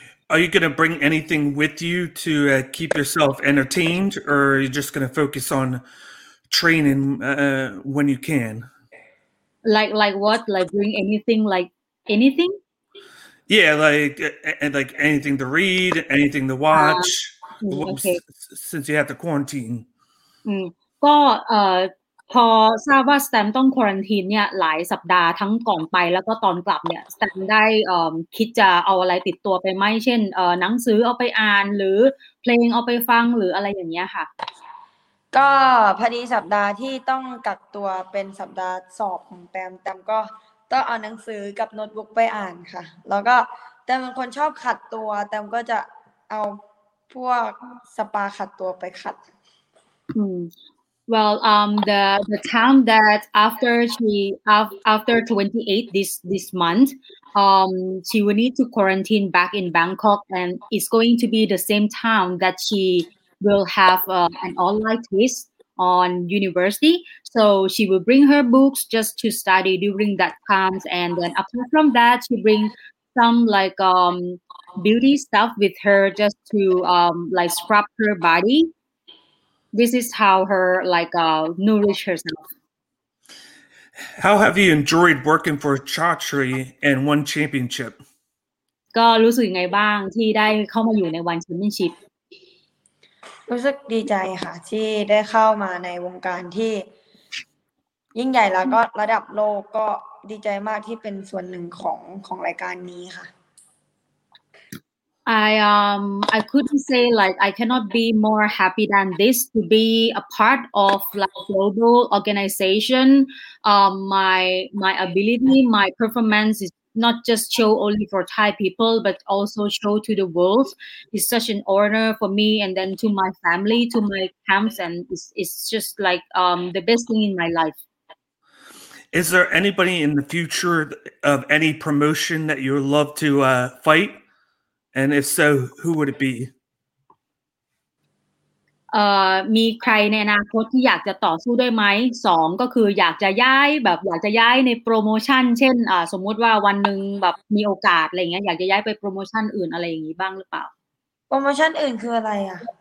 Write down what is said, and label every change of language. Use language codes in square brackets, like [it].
[en] Are you going to bring anything with you to keep yourself entertained or are you just going to focus on training when you can? Like what? Like bring anything? Like anything? Yeah, like anything to read, anything to watch since you have to quarantine. [th] ก็พอทราบว่าสแตมต้องควอรันทีนเนี่ยหลายสัปดาห์ทั้งก่อนไปแล้วก็ตอนกลับเนี่ยสแตมได้คิดจะเอาอะไรติดตัวไปไหมเช่นหนังสือเอาไปอ่านหรือเพลงเอาไปฟังหรืออะไรอย่างเงี้ยค่ะ ก็พอดีสัปดาห์ที่ต้องกักตัวเป็นสัปดาห์สอบของแตมก็ต้องเอาหนังสือกับโน้ตบุ๊กไปอ่านค่ะแล้วก็แตมเป็นคนชอบขัดตัวแตมก็จะเอาพวกสปาขัดตัวไปขัด [en] Well, the time that after 28 this month, she will need to quarantine back in Bangkok, and it's going to be the same time that she will have an online test on university. So she will bring her books just to study during that time, and then apart from that, she bring some like beauty stuff with her just to like scrub her body. This is how her like nourish herself. How have you enjoyed working for Chachri and won championship? [th] ก็รู้สึกไงบ้างที่ได้เข้ามาอยู่ในวันแชมเปี้ยนชิพ รู้สึกดีใจค่ะที่ได้เข้ามาในวงการที่ยิ่งใหญ่แล้วก็ระดับโลกก็ดีใจมากที่เป็นส่วนหนึ่งของรายการนี้ค่ะ [en] I couldn't say like I cannot be more happy than this to be a part of like global organization. My ability, my performance is not just show only for Thai people, but also show to the world. It's such an honor for me, and then to my family, to my camps, and it's just like the best thing in my life. Is there anybody in the future of any promotion that you would love to fight? And if so, who would it be? [th] มีใครในอนาคตที่อยากจะต่อสู้ด้วยไหม สองก็คืออยากจะย้ายแบบอยากจะย้ายในโปรโมชั่นเช่นสมมติว่าวันหนึ่งแบบมีโอกาสอะไรเงี้ยอยากจะย้ายไปโปรโมชั่นอื่นอะไรอย่างงี้บ้างหรือเปล่า โปรโมชั่นอื่นคืออะไรอ่ะ